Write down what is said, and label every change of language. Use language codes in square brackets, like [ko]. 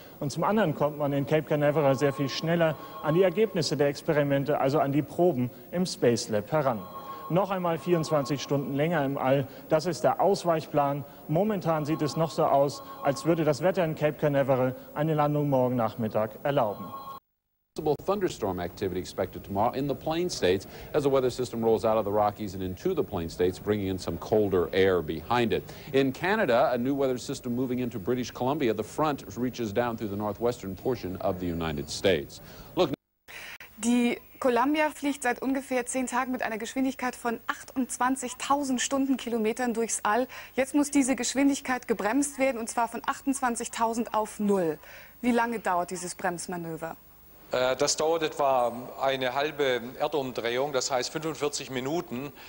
[de] Und zum anderen kommt man in Cape Canaveral sehr viel schneller an die Ergebnisse der Experimente, also an die Proben im Space Lab heran. Noch einmal 24 Stunden länger im All, das ist der Ausweichplan. Momentan sieht es noch so aus, als würde das Wetter in Cape Canaveral eine Landung morgen Nachmittag erlauben. [en] Thunderstorm activity expected tomorrow in the Plain States as the weather system rolls out of the Rockies and into the Plain States, bringing in some colder air behind it. In Canada, a new weather system moving into British Columbia, the front reaches down through the northwestern portion of the United States. Look. [de] Die Columbia fliegt seit ungefähr 10 Tagen mit einer Geschwindigkeit von 28.000 Stundenkilometern durchs All. Jetzt muss diese Geschwindigkeit gebremst werden, und zwar von 28.000 auf null. Wie lange dauert dieses Bremsmanöver? Das dauert etwa eine halbe Erdumdrehung, das heißt 45 Minuten.